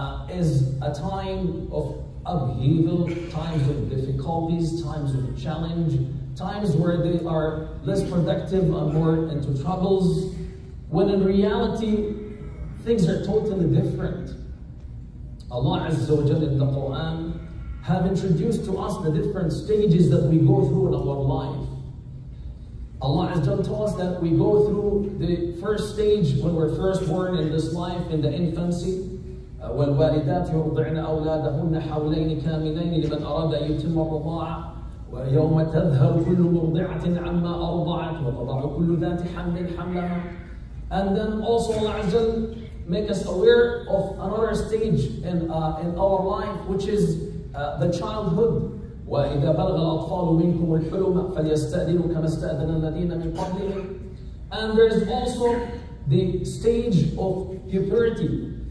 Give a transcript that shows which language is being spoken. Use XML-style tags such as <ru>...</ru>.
<en>is a time of upheaval, times of difficulties, times of challenge, times where they are less productive and more into troubles, when in reality things are totally different. Allah Azza wa Jalla in the Quran have introduced to us the different stages that we go through in our life. Allah has told us that we go through the first stage when we're first born in this life, in the infancy.</en> <ar>والوالدات يرضعن أولادهن حولين كاملين لمن أراد أن يتم الرضاعة، ويوم تذهب كل مرضعة عما أرضعت وتضع كل ذات حمل حملها.</ar> <en>And then also Allah Azza make us aware of another stage in our life, which is the childhood.</en> <ar>وَإِذَا بَلْغَ الْأَطْفَالُ مِنْكُمُ الْحُلُمَ فَلْيَسْتَأْذِنُوا كَمَا اسْتَأْذَنَ الَّذِينَ مِنْ قَبْلِهِمْ.</ar> <en>And there is also the stage of puberty.</en>